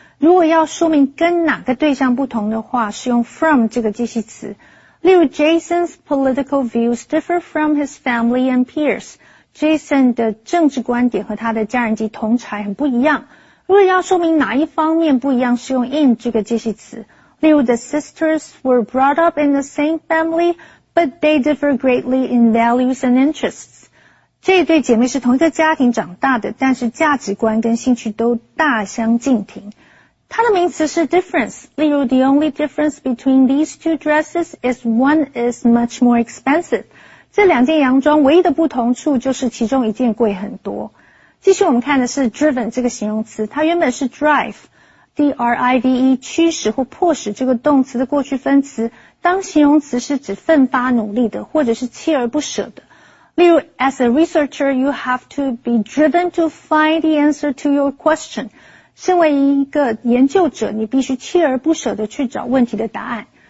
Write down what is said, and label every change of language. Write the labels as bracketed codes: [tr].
[zh] 如果要说明跟哪个对象不同的话，是用 from 这个介系词。例如 [en] Jason's political views differ from his family and peers. [zh] Jason 的政治观点和他的家人及同侪很不一样。如果要说明哪一方面不一样，是用 in 这个介系词。例如 [en] the sisters were brought up in the same family,But they differ greatly in values and interests. [zh] 这对姐妹是同一个家庭长大的，但是价值观跟兴趣都大相径庭。它的名词是 [en] difference, [zh] 例如 [en] the only difference between these two dresses is one is much more expensive. [zh] 这两件洋装唯一的不同处就是其中一件贵很多。继续我们看的是 driven 这个形容词，它原本是 drive。 D-R-I-V-E, 驱使或迫使这个动词的过去分词当形容词是指奋发努力的或者是锲而不舍的。例如 [en] ,as a researcher, you have to be driven to find the answer to your question. [zh] 身为一个研究者你必须锲而不舍地去找问题的答案。